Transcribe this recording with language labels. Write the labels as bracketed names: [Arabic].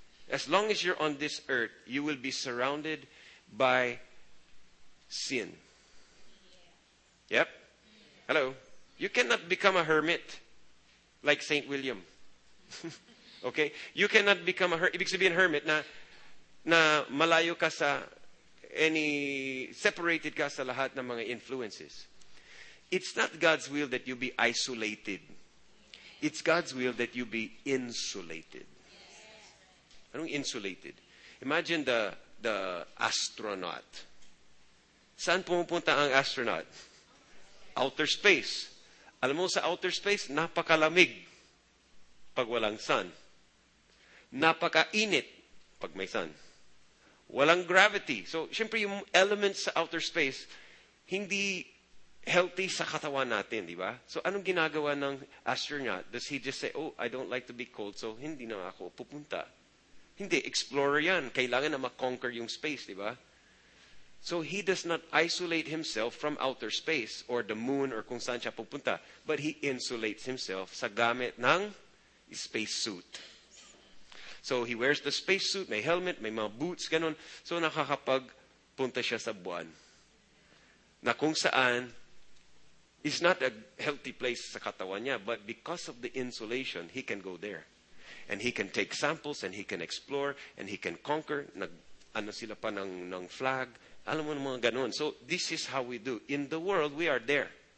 [English] As long as you're on this earth, you will be surrounded by sin. Yep. Hello. You cannot become a hermit like St. William. Okay? You cannot become a hermit. [Filipino] Ibig sabihin hermit na malayo ka sa any, separated ka sa lahat ng mga influences. [English] It's not God's will that you be isolated. It's God's will that you be insulated. Anong insulated? Imagine the astronaut. [Filipino] Saan pumupunta ang astronaut? [English] Outer space. [Filipino] Alam mo, sa outer space, napakalamig pag walang sun. Napakainit pag may sun. Walang gravity. So, syempre, yung elements sa outer space, hindi healthy sa katawan natin, di ba? [English] So, anong ginagawa ng astronaut? Does he just say, oh, I don't like to be cold, so [Filipino] hindi na ako pupunta. Hindi, explorer yan. Kailangan na ma-conquer yung space, di ba? [English] So he does not isolate himself from outer space or the moon or kung saan siya pupunta. But he insulates himself [Filipino] sa gamit ng [English] space suit. So he wears the space suit, [Filipino] may helmet, may mga boots, ganun. So nakakapagpunta siya sa buwan. Na kung saan, [English] It's not a healthy place [Filipino] sa katawan niya, [English] but because of the insulation, he can go there. And he can take samples, and he can explore, and he can conquer. [Filipino] Ano sila pa ng flag. Alam mo mga ganun. [English] So, this is how we do. In the world, we are there.